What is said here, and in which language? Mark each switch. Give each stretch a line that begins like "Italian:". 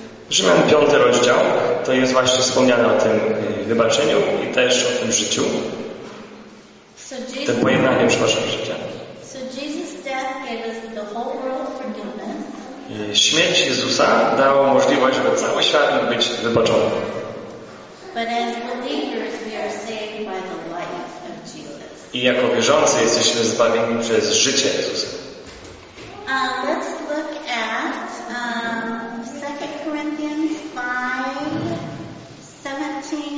Polish: Rzymian 5 rozdział to jest właśnie wspomniane o tym wybaczeniu i też o tym życiu.
English: So Jesus,
Polish: tym pojednaniem, przepraszam, życia.
English: So Jesus death gave us the whole world forgiveness.
Polish: Śmierć Jezusa dała możliwość, aby cały świat mógł być wybaczony.
English: But as believers, we are saved by the life of Jesus.
Polish: I jako wierzący jesteśmy zbawieni przez życie Jezusa.
English: Let's look at 2 Corinthians 5:17.